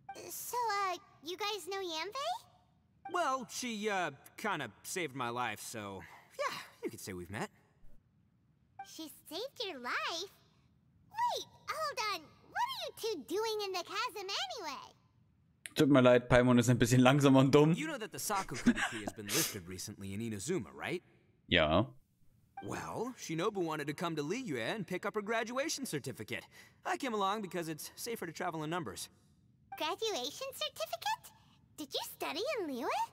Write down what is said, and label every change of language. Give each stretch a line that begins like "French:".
English: So, you guys know Yanfei? Well, she, kind of saved my life, so... Yeah, you could say we've met. She saved your life? Wait, hold on. What are you two doing in the chasm anyway?
German: Tut mir leid, Paimon ist ein bisschen langsam und dumm.
English: You know that the Saku Kuniki has been lifted recently in Inazuma, right?
German: Ja.
English: Well, Shinobu wanted to come to Liyue and pick up her graduation certificate. I came along because it's safer to travel in numbers. Graduation certificate? Did you study in Liyue?